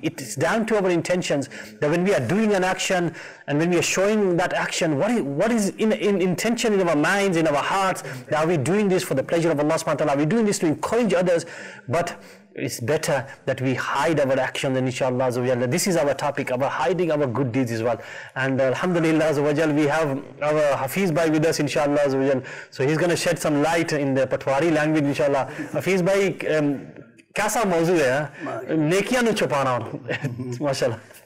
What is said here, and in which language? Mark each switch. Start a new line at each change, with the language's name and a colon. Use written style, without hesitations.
English: It is down to our intentions, that when we are doing an action and when we are showing that action, what is in intention in our minds, in our hearts, that are we doing this for the pleasure of Allah subhanahu wa ta'ala? Are we doing this to encourage others? But it's better that we hide our actions, and inshallah, this is our topic, about hiding our good deeds as well. And alhamdulillah, we have our Hafiz bhai with us, inshallah. So he's going to shed some light in the Patwari language, inshallah.
Urdu: حافظ بھائی، کیسا موضوع ہے؟
Punjabi: ਨੇਕੀਆਂ ਨੂੰ ਛੁਪਾਣਾ, ਮਾਸ਼ਾੱਲਾਹ.